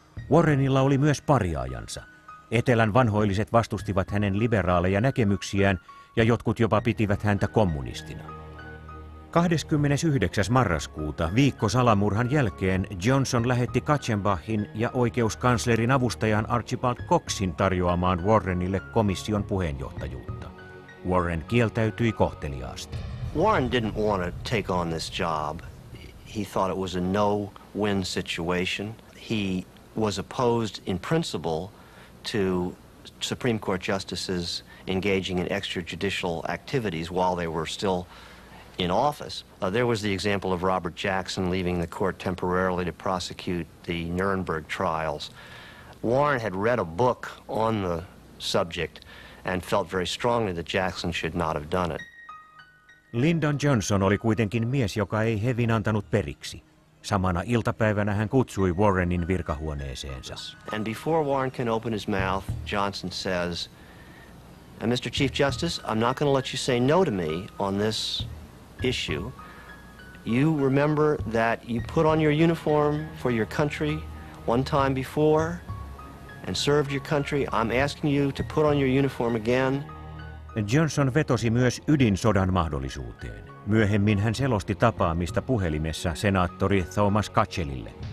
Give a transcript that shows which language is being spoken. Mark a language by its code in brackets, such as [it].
[fi] Warrenilla oli myös pariaajansa. Etelän vanhoilliset vastustivat hänen liberaaleja näkemyksiään ja jotkut jopa pitivät häntä kommunistina. 29. marraskuuta, viikko salamurhan jälkeen, Johnson lähetti Katzenbachin ja oikeuskanslerin avustajan Archibald Coxin tarjoamaan Warrenille komission puheenjohtajuutta. Warren kieltäytyi kohteliaasti. [en] Warren didn't want to take on this job. He thought it was a no-win situation. He was opposed in principle to Supreme Court justices engaging in extrajudicial activities while they were still in office. There was the example of Robert Jackson leaving the court temporarily to prosecute the Nuremberg trials. Warren had read a book on the subject and felt very strongly that Jackson should not have done it. [fi] Lyndon Johnson oli kuitenkin mies, joka ei hevin antanut periksi. Samana iltapäivänä hän kutsui Warrenin virkahuoneeseensa. [en] And before Warren can open his mouth, Johnson says, "And Mr. Chief Justice, I'm not going to let you say no to me on this issue. You remember that you put on your uniform for your country one time before and served your country. I'm asking you to put on your uniform again." [fi] Johnson vetosi myös ydinsodan mahdollisuuteen. Myöhemmin hän selosti tapaamista puhelimessa senaattori Thomas Kutchellille.